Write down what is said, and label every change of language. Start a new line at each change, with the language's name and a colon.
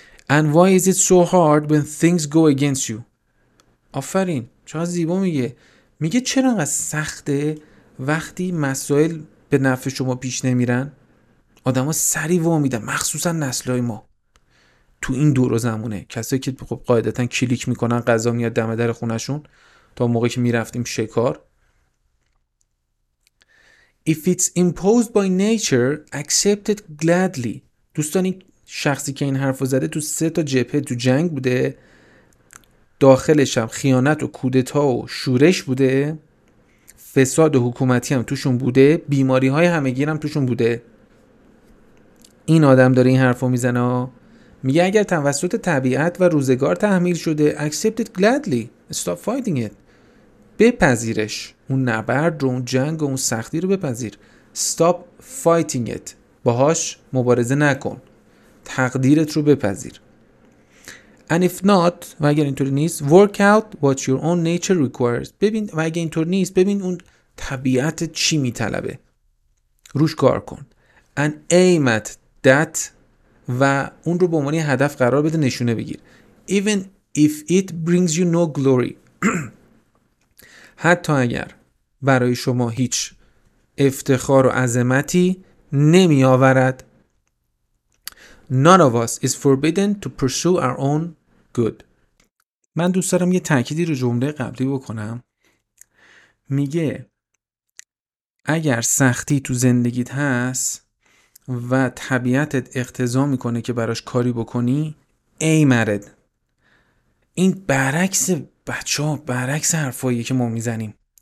English: And why is it so hard when things go against you?
Persian: آفرین. چقدر زیبا میگه. میگه چرا انقدر سخته وقتی مسائل به نفع شما پیش نمیرن؟ آدم ها سری وا میدن. مخصوصا نسلهای ما. تو این دور و زمونه. کسایی که خب قاعدتا کلیک میکنن قضا میاد دم در خونشون تا موقعی که میرفتیم شکار.
English: If it's imposed by nature, accept it gladly.
Persian: دوستان این شخصی که این حرف رو زده تو سه تا جبهه تو جنگ بوده، داخلش هم خیانت و کودتا و شورش بوده، فساد و حکومتی هم توشون بوده، بیماری های همگیر هم توشون بوده. این آدم داره این حرف رو میزنه، میگه اگر توسط طبیعت و روزگار تحمیل شده،
English: accept it gladly. Stop fighting it.
Persian: بپذیرش. اون نبرد رو، اون جنگ و اون سختی رو بپذیر.
English: Stop fighting it.
Persian: باهاش مبارزه نکن. تقدیرت رو بپذیر.
English: And if not،
Persian: و اگر اینطور نیست،
English: work out what your own nature requires.
Persian: ببین، و اگر اینطور نیست، ببین اون طبیعت چی میطلبه. روش کار کن.
English: And aim at that،
Persian: و اون رو به عنوان هدف قرار بده، نشونه بگیر.
English: Even if it brings you no glory.
Persian: حتی اگر برای شما هیچ افتخار و عظمتی نمی آورد.
English: None of us is forbidden to pursue our own good.
Persian: من دوست دارم یه تأکیدی رو جمله قبلی بکنم. میگه اگر سختی تو زندگیت هست و طبیعتت اقتضا میکنه که براش کاری بکنی، ای مرد. این برعکس بچه ها، برعکس حرفاییه که ما میزنیم.